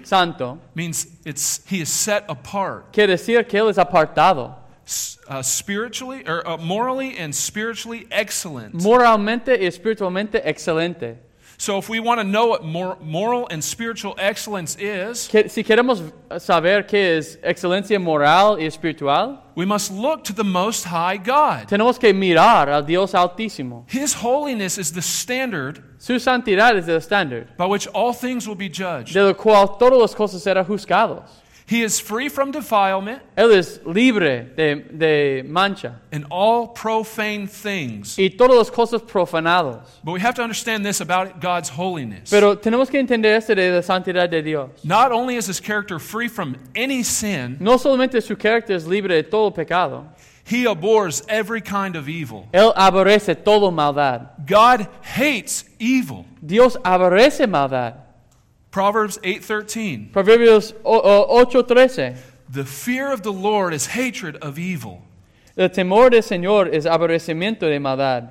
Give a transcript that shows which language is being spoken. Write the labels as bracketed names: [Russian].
[Spanish] santo [English] means he is set apart. [Spanish] Quiere decir que él es apartado. [English] Morally and spiritually excellent. [Spanish] Moralmente y espiritualmente excelente. [English] So if we want to know what moral and spiritual excellence is, [Spanish] si queremos saber qué es excelencia moral y espiritual, [English] we must look to the Most High God. [Spanish] Tenemos que mirar al Dios Altísimo. [English] His holiness is the standard. [Spanish] Su santidad es el standard. [English] By which all things will be judged. [Spanish] De lo cual todas las cosas serán juzgados. [English] He is free from defilement. [Spanish] Él es libre de mancha. [English] And all profane things. [Spanish] Y todas las cosas profanadas. [English] But we have to understand this about God's holiness. [Spanish] Pero tenemos que entender esto de la santidad de Dios. [English] Not only is his character free from any sin. [Spanish] No solamente su carácter es libre de todo pecado. [English] He abhors every kind of evil. [Spanish] Él aborrece todo maldad. [English] God hates evil. [Spanish] Dios aborrece maldad. [English] Proverbs 8:13. [Spanish] Proverbios 8:13. [English] The fear of the Lord is hatred of evil. [Spanish] El temor del Señor es aborrecimiento de maldad.